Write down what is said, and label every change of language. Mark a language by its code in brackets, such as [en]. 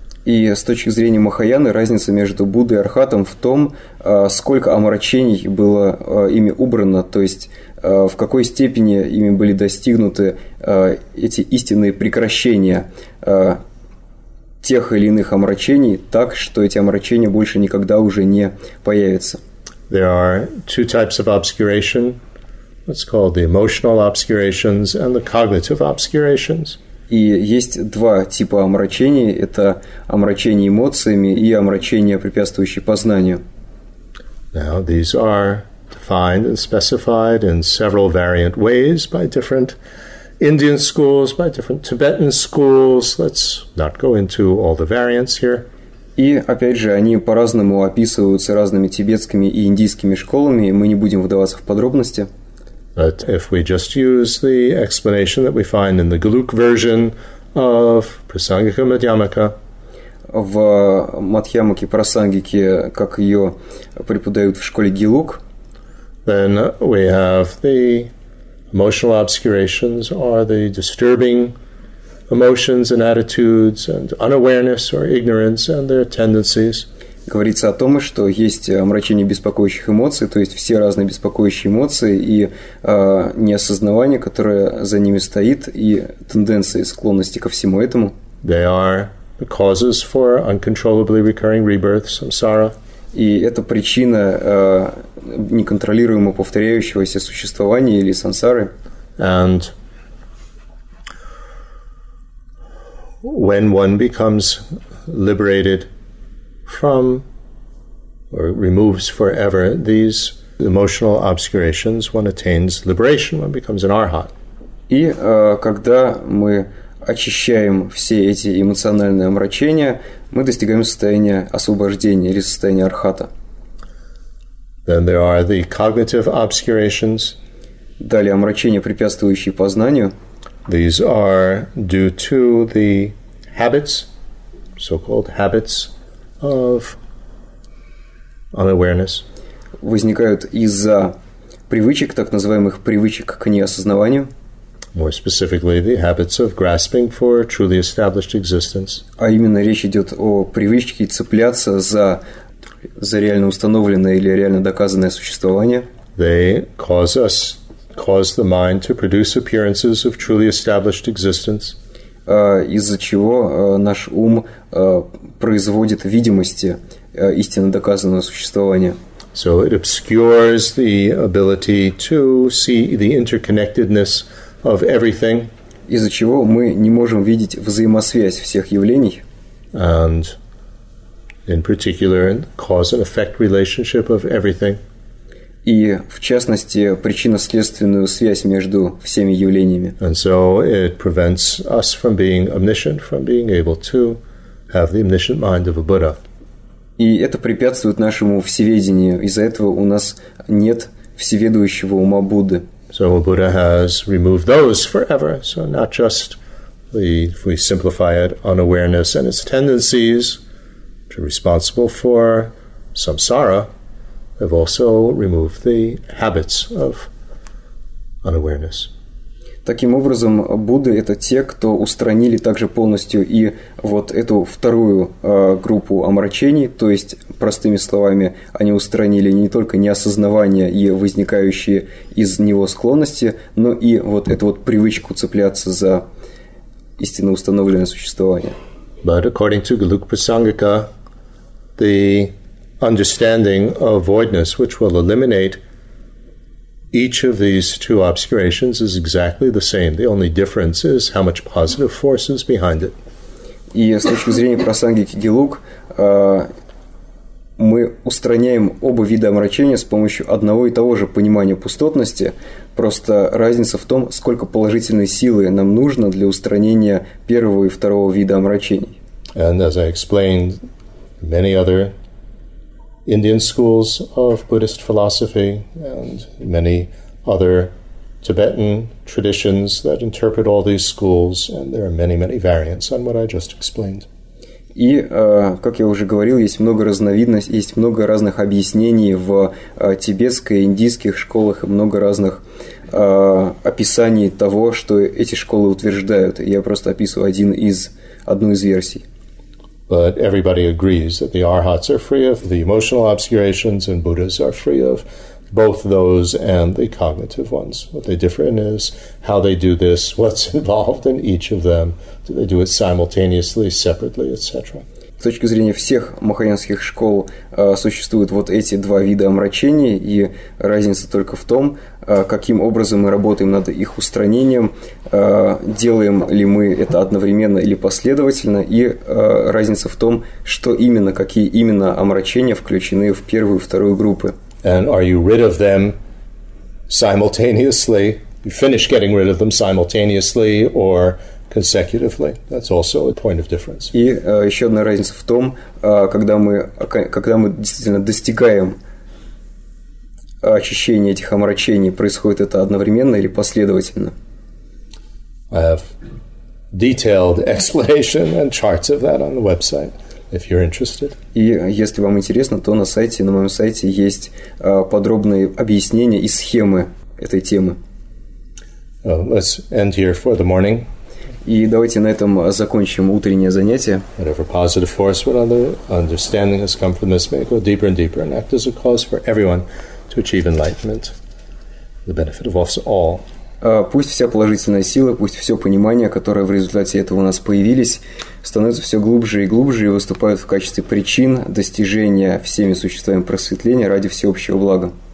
[ru] И с точки зрения Махаяны, разница между Буддой и Архатом в том, сколько омрачений было ими убрано, то есть в какой степени ими были достигнуты эти истинные прекращения тех или иных омрачений так, что эти омрачения больше никогда уже не появятся. [en] There are two types of obscuration. It's called the emotional obscurations and the cognitive obscurations. [ru] И есть два типа омрачений. Это омрачение эмоциями и омрачение, препятствующее познанию. [en] Now, these are defined and specified in several variant ways by different Indian schools, by different Tibetan schools. Let's not go into all the variants here. [ru] И, опять же, они по-разному описываются разными тибетскими и индийскими школами, и мы не будем вдаваться в подробности. [en] But if we just use the explanation that we find in the Galuk version of Prasangika Madhyamaka, [ru] в Мадхьямаке Прасангике, как ее преподают в школе Галук, [en] then we have the emotional obscurations, or the disturbing emotions and attitudes, and unawareness or ignorance and their tendencies. [ru] Говорится о том, что есть омрачение беспокоящих эмоций, то есть все разные беспокоящие эмоции и неосознавание, которое за ними стоит, и тенденции, склонности ко всему этому. [en] They are the causes for uncontrollably recurring rebirth, samsara. [ru] И это причина неконтролируемо повторяющегося существования или сансары. [en] And when one becomes liberated from or removes forever these emotional obscurations, one attains liberation, one becomes an arhat. [ru] И когда мы очищаем все эти эмоциональные омрачения, мы достигаем состояния освобождения или состояния архата. [en] Then there are the cognitive obscurations. [ru] Далее омрачения, препятствующие познанию. [en] These are due to the habits, so-called habits, of unawareness. [ru] Возникают из-за привычек, так называемых привычек к неосознаванию. [en] More specifically, the habits of grasping for truly established existence. [ru] А именно речь идет о привычке цепляться за реально установленное или реально доказанное существование. [en] They cause the mind to produce appearances of truly established existence. [ru] Из-за чего наш ум производит видимости истинно доказанного существования. [en] So it obscures the ability to see the interconnectedness of everything. [ru] Из-за чего мы не можем видеть взаимосвязь всех явлений. [en] And in particular, cause and effect relationship of everything. [ru] И, в частности, причинно-следственную связь между всеми явлениями. [en] And so it prevents us from being omniscient, from being able to have the omniscient mind of a Buddha. [ru] И это препятствует нашему всеведению. Из-за этого у нас нет всеведущего ума Будды. [en] So a Buddha has removed those forever. So not just, if we simplify it, unawareness and its tendencies, which are responsible for samsara, have also removed the habits of unawareness. [ru] Таким образом, Будды — это те, кто устранили также полностью и вот эту вторую группу омрачений, то есть, простыми словами, они устранили не только неосознавание и возникающие из него склонности, но и вот эту вот привычку цепляться за истинно установленное существование. [en] But according to Gelugpasangika, the understanding of voidness, which will eliminate each of these two obscurations, is exactly the same. The only difference is how much positive force is behind it. [ru] И с точки зрения Прасангики Гелуг, мы устраняем оба вида омрачения с помощью одного и того же понимания пустотности. Просто разница в том, сколько положительной силы нам нужно для устранения первого и второго вида омрачений. [en] And as I explained, many other Indian schools of Buddhist philosophy and many other Tibetan traditions that interpret all these schools, and there are many, many variants on what I just explained. [ru] И, как я уже говорил, есть много разновидностей, есть много разных объяснений в тибетской, индийских школах и много разных описаний того, что эти школы утверждают. Я просто описываю одну из версий. [en] But everybody agrees that the arhats are free of the emotional obscurations and Buddhas are free of both those and the cognitive ones. What they differ in is how they do this, what's involved in each of them. Do they do it simultaneously, separately, etc.? [ru] С точки зрения всех махаянских школ существуют вот эти два вида омрачений, и разница только в том, каким образом мы работаем над их устранением, делаем ли мы это одновременно или последовательно, и разница в том, что именно, какие именно омрачения включены в первую и вторую группы. [en] And are you rid of them simultaneously? You finish getting rid of them simultaneously or consecutively? That's also a point of difference. [ru] И еще одна разница в том, когда мы действительно достигаем очищение этих омрачений, происходит это одновременно или последовательно? [en] I have detailed explanation and charts of that on the website, if you're interested. [ru] И если вам интересно, то на моем сайте есть подробные объяснения и схемы этой темы. [en] Well, let's end here for the morning. [ru] И давайте на этом закончим утреннее занятие. [en] Whatever positive force, whatever understanding has come from this, may go deeper and deeper and act as a cause for everyone to achieve enlightenment, the benefit of us all. [ru] Пусть вся положительная сила, пусть все понимание, которое в результате этого у нас появились, становится все глубже и глубже и выступают в качестве причин достижения всеми существами просветления ради всеобщего блага.